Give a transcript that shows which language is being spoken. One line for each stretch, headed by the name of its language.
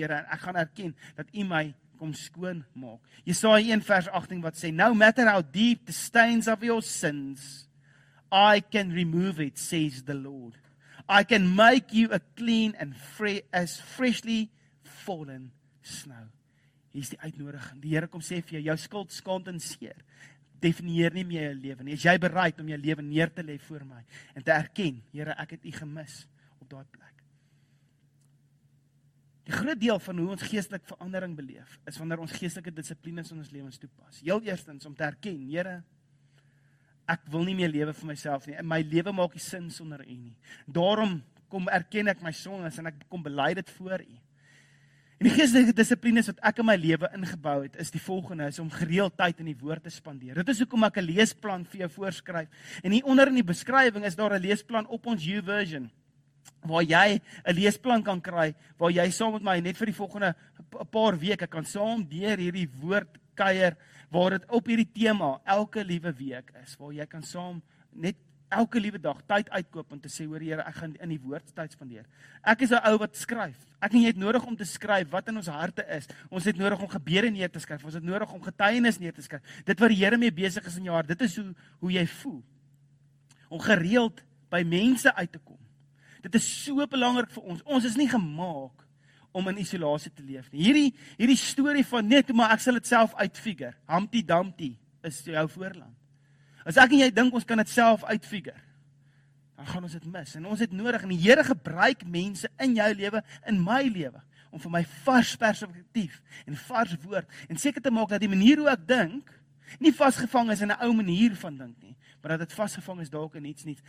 Afrikaans: Here, ek gaan erken dat U my kom skoon maak. Jesaja 1 vers 18 wat sê,
English: no matter how deep the stains of your sins, I can remove it, says the Lord. I can make you a clean and as freshly fallen snow.
Afrikaans: Hier is die uitnodiging. Die Here kom sê vir jou, jou skuld, skaamte en seer definieer nie meer jou lewe nie. As jy bereid om jou lewe neer te lê voor my en te erken, Here, ek het U gemis op daai plek. Die groot deel van hoe ons geestelik verandering beleef, is wanneer ons geestelike dissiplines in ons lewens toepas. Heel eerstens om te erken, Here, ek wil nie meer lewe vir myself nie. My lewe maak nie sin sonder U nie. Daarom kom erken ek my sondes en ek kom bely dit voor U. En die geestelike dissiplines wat ek in my lewe ingebou het, is die volgende, is om gereeld tyd in die woord te spandeer. Dit is hoekom ek 'n leesplan vir jou voorskryf. En hier onder in die beskrywing is daar 'n leesplan op ons YouVersion, waar jy 'n leesplan kan kry, waar jy saam met my net vir die volgende paar weke kan saam deur hierdie woord kuier, waar dit op hierdie tema elke liewe week is, waar jy kan saam net elke liewe dag tyd uitkoop om te sê, hoor Here, ek gaan in die woord tyd spandeer. Ek is 'n ou wat skryf. Ek en jy het nodig om te skryf wat in ons harte is. Ons het nodig om gebede neer te skryf. Ons het nodig om getuienis neer te skryf. Dit wat die Here mee besig is in jou hart, dit is hoe jy voel. Om gereeld by mense uit te kom. Dit is so belangrik vir ons. Ons is nie gemaak om in isolasie te leef nie. Hierdie storie van net toe, maar ek sal dit self uitfigure. Humpty Dumpty is jou voorland. As ek en jy dink ons kan dit self uitfigure, dan gaan ons dit mis. En ons het nodig, en die Here gebruik mense in jou lewe, in my lewe, om vir my vars perspektief en vars woord, en seker te maak dat die manier hoe ek dink, nie vasgevang is in 'n ou manier van dink nie, maar dat dit vasgevang is dalk in iets nie.